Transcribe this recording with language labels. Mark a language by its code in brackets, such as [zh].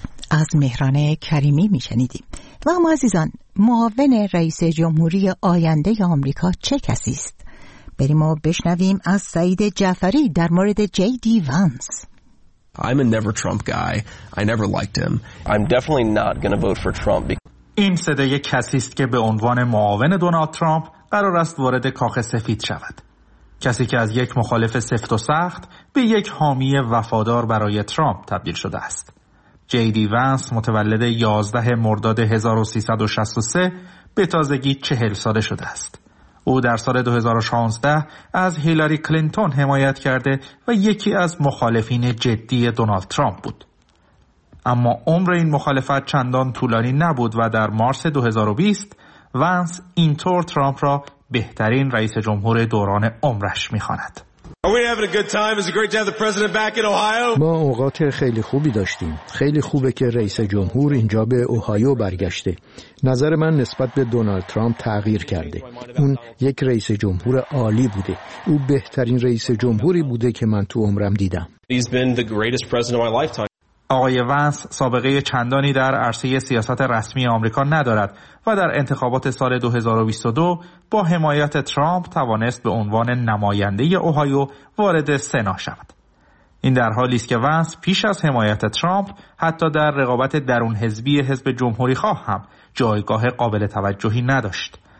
[fa] از مهران کریمی می شنیدیم. و اما عزیزان، معاون رئیس جمهوری آینده آمریکا چه کسی است؟ بریم و بشنویم از سعید جعفری در مورد جی دی وانس. [en] I'm a never Trump guy. I never liked him. I'm definitely not going to vote for Trump. [fa] این صدای کسی است که به عنوان معاون دونالد ترامپ قرار است وارد کاخ سفید شود. کسی که از یک مخالف سفت و سخت به یک حامی وفادار برای ترامپ تبدیل شده است. جی دی وانس، متولد 11 مرداد 1363، به تازگی 40 ساله شده است. او در سال 2016 از هیلاری کلینتون حمایت کرده و یکی از مخالفین جدی دونالد ترامپ بود. اما عمر این مخالفت چندان طولانی نبود و در مارس 2020 وانس اینطور ترامپ را بهترین رئیس جمهور دوران عمرش می‌خواند. [en] I Are we having a good time? It's great to have the president back in Ohio. [fa] ما اوقات خیلی خوبی داشتیم. خیلی خوبه که رئیس جمهور اینجا به اوهایو برگشته. نظر من نسبت به دونالد ترامپ تغییر کرده. اون یک رئیس جمهور عالی بوده. او بهترین رئیس جمهوری بوده که من تو عمرم دیدم. [en] He's been the greatest president of my lifetime. [fa] آقای ونس سابقه چندانی در عرصه سیاست رسمی آمریکا ندارد و در انتخابات سال 2022 با حمایت ترامپ توانست به عنوان نماینده اوهایو وارد سنا شود. این در حالی است که ونس پیش از حمایت ترامپ حتی در رقابت درون حزبی حزب جمهوری خواه هم جایگاه قابل توجهی نداشت.